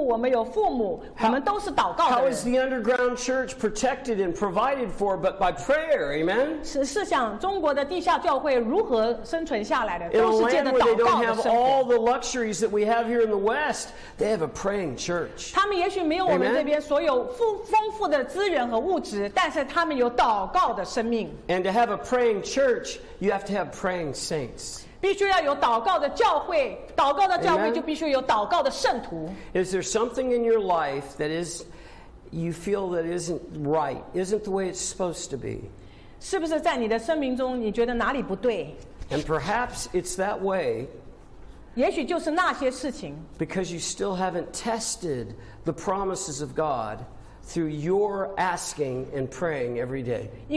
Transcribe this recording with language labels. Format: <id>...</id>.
<zh>在中国的教会里，我们相信我们是祷告的教会。我们有祖父，我们有父母，我们都是祷告的人。</zh> <en>How is the underground church protected and provided for but by prayer? Amen.</en> <zh>是想中国的地下教会如何生存下来的，都是借着祷告的胜利。</zh> <en>In a land where they don't have all the luxuries that we have here in the West, they have a praying church.</en> <zh>他们也许没有我们这边所有丰富的资源和物质，但是他们有祷告的生命。</zh> <en>And to have a praying church, you have to have praying saints.</en> <zh>必须要有祷告的教会，祷告的教会就必须有祷告的圣徒。</zh> <en>Is there something in your life that is you feel that isn't right, isn't the way it's supposed to be?</en> <zh>是不是在你的生命中你觉得哪里不对？</zh> <en>And perhaps it's that way.</en> <zh>也许就是那些事情。</zh> <en>Because you still haven't tested the promises of God through your asking and praying every day.</en>